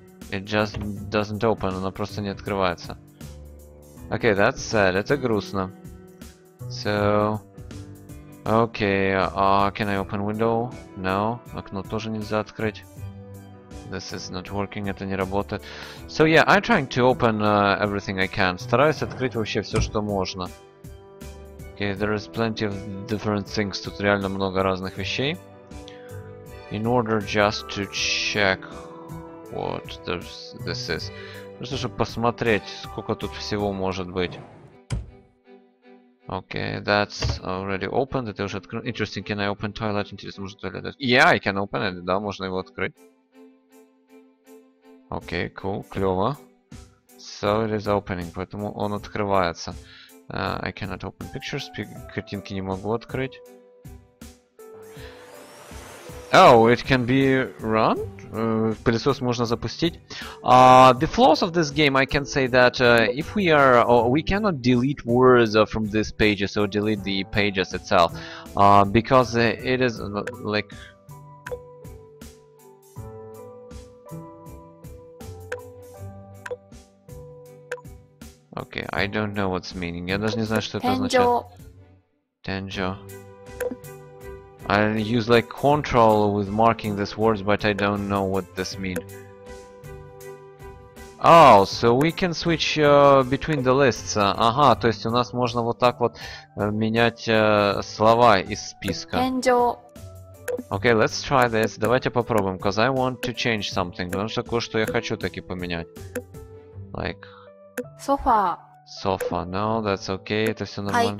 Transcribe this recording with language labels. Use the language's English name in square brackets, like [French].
[English] It just doesn't open, [Russian] она просто не открывается. [English] Okay, that's sad, [Russian] это грустно. [English] So... Okay, can I open window? [Russian] No, окно тоже нельзя открыть. [English] This is not working, [Russian] это не работает. [English] So yeah, I'm trying to open everything I can. [Russian] Стараюсь открыть вообще все, что можно. [English] Okay, there is plenty of different things. [Russian] Тут реально много разных вещей. [English] In order just to check... Вот, this is. [Russian] Просто чтобы посмотреть, сколько тут всего может быть. [English] Окей, okay, that's already opened. [Russian] Это уже открыто. [English] Interesting, can I open toilet? [Russian] Интересно, можно туалет? [English] Yeah, I can open it. [Russian] Да, можно его открыть. [English] Окей, okay, cool, [Russian] клево. [English] So it is opening, [Russian] поэтому он открывается. [English] I cannot open pictures. [Russian] Картинки не могу открыть. [English] Oh, it can be run? [Russian] Пылесос можно запустить. [English] The flaws of this game, I can say that if we are... we cannot delete words from these pages or delete the pages itself. Because it is like... Okay, I don't know what's meaning. [Russian] Я даже не знаю, что это означает. [Japanese] Tenjo. [English] I use like control with marking these words, but I don't know what this means. Oh, so we can switch between the lists. [Russian] Ага, то есть у нас можно вот так вот менять слова из списка. [English] Angel. Okay, let's try this. [Russian] Давайте попробуем, [English] because I want to change something. [Russian] Потому что кое-что я хочу таки поменять. [English] Like... Sofa. Sofa, no, that's okay, [Russian] это все нормально.